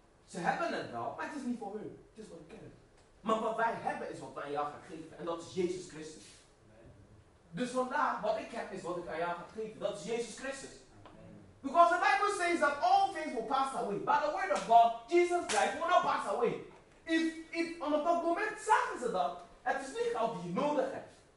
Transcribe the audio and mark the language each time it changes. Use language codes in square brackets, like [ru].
[nl] Ze hebben het wel, maar het is niet voor hun. Het is voor de kerk. Maar wat wij hebben is wat wij aan jou gaat geven. En dat is Jezus Christus. Amen. Dus vandaar, wat ik heb is wat ik aan jou gaat geven. Dat is Jezus Christus. Amen. [en] Because the Bible says that all things will pass away. By the word of God, Jesus Christ will not pass away. [nl] If on dat moment zagen ze dat, het is niet geld die je nodig hebt.